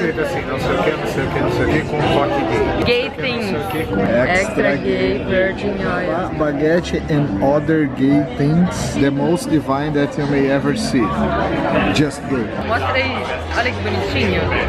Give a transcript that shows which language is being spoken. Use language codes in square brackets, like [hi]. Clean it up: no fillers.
[pt] Escrito assim, não sei o que, com toque gay. [en] Gay things. Extra gay virgin oil. Baguette and other gay things, the most divine that you may ever see. Just gay. [pt] Mostra aí, olha que bonitinho.